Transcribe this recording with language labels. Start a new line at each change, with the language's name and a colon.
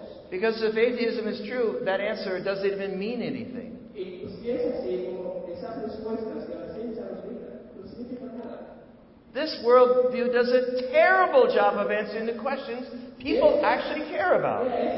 English: Because if atheism is true, that answer doesn't even mean anything.
Spanish: Y si es así, esas respuestas que la ciencia nos brinda, no significan nada.
English: This worldview does a terrible job of answering the questions people actually care about.